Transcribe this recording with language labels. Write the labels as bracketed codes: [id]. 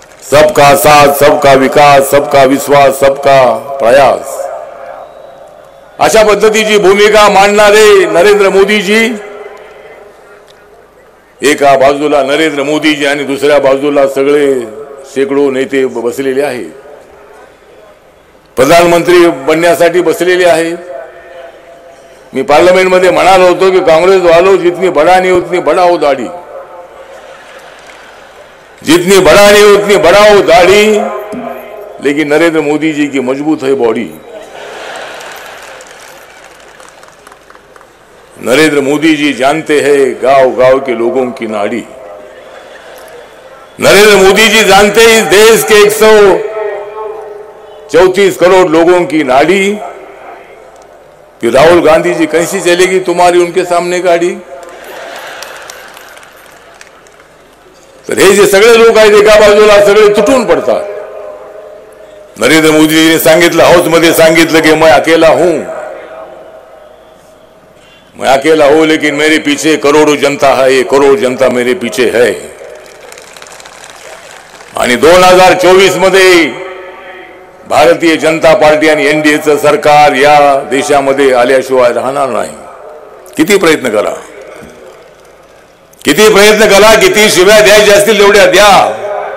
[mr] सबका साथ, सबका विकास, सबका विश्वास, सबका प्रयास अशा पद्धतीची भूमिका मांडणारे नरेंद्र मोदीजी, एका बाजूला नरेंद्र मोदीजी आणि दुसऱ्या बाजूला सगळे शेकडो नेते बसलेले आहेत, प्रधानमंत्री बनण्यासाठी बसलेले आहेत, मी पार्लमेंट मध्ये म्हणालो होतो की [hi] काँग्रेस वालो जितनी बढानी उतनी बढाओ दाढी, जितनी बढानी उतनी बढाओ दाढी, लेकिन नरेंद्र मोदी जी की मजबूत है बॉडी। नरेंद्र मोदी जी जानते हैं गांव गांव के लोगों की नाड़ी। नरेंद्र मोदी जी जानते हैं इस देश के 134 करोड़ लोगों की नाड़ी। कि राहुल गांधी जी कैसी चलेगी तुम्हारी उनके सामने गाड़ी, [mr] तो हे जे सगळे लोक आहेत एका बाजूला सगळे तुटून पडतात। [hi] नरेंद्र मोदी जी [mr] ने सांगितलं हाउस मध्ये सांगितलं की [hi] मैं अकेला हूं, मैं अकेला हूं, लेकिन मेरे पीछे करोड़ों जनता है, ये करोड़ जनता मेरे पीछे है। [mr] 2024 मध्ये भारतीय जनता पार्टी आणि एनडीएचं सरकार या देशामध्ये आल्याशिवाय राहणार नाही। किती प्रयत्न करा, किती प्रयत्न करा, किती शिव्या द्यायच्या असतील तेवढ्या द्या।